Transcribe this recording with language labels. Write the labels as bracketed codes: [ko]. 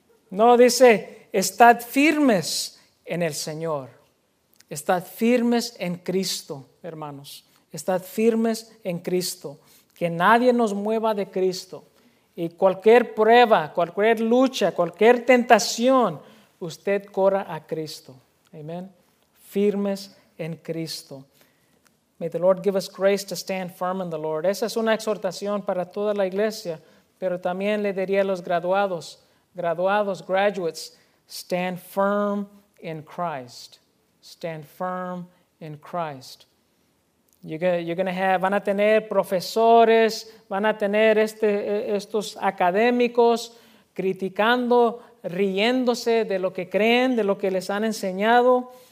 [es] No, dice, estad firmes en el Señor, estad firmes en Cristo, hermanos, estad firmes en Cristo, que nadie nos mueva de Cristo, y cualquier prueba, cualquier lucha, cualquier tentación, usted corra a Cristo, amén, firmes en Cristo. [en] May the Lord give us grace to stand firm in the Lord. [es] Esa es una exhortación para toda la iglesia, pero también le diría a los graduados, [en] graduates, stand firm in Christ. Stand firm in Christ. [es] Van a tener profesores, van a tener estos académicos criticando, riéndose de lo que creen, de lo que les han enseñado.